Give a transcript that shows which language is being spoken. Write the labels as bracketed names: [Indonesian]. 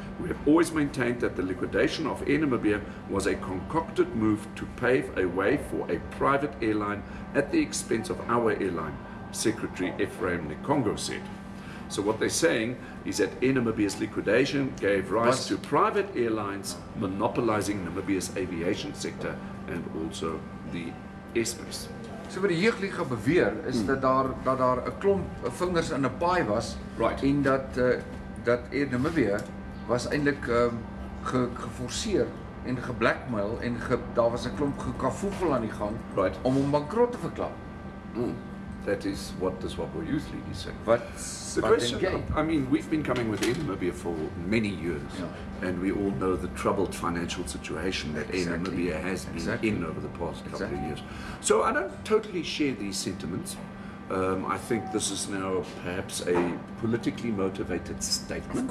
[English] We have always maintained that the liquidation of Air Namibia was a concocted move to pave a way for a private airline at the expense of our airline, Secretary Ephraim Nikongo said. So what they're saying is that Air Namibia's liquidation gave rise to private airlines monopolizing Namibia's aviation sector and also the airspace. [Afrikaans] So wat die jeugdliga beweer is dat daar 'n klomp vingers in 'n paai was, [English] right, [Afrikaans] en dat Air Namibia was eintlik geforseer en geblackmail en daar was 'n klomp gekafoefel aan die gang, [English] right, [Afrikaans] om hom bankrot te verklaar. [English] That is what the Swapo Youth League is saying. But the question, I mean, we've been coming with Air Namibia for many years, and we all know the troubled financial situation that Air Namibia has been in over the past couple of years. So I don't totally share these sentiments. I think this is now perhaps a politically motivated statement.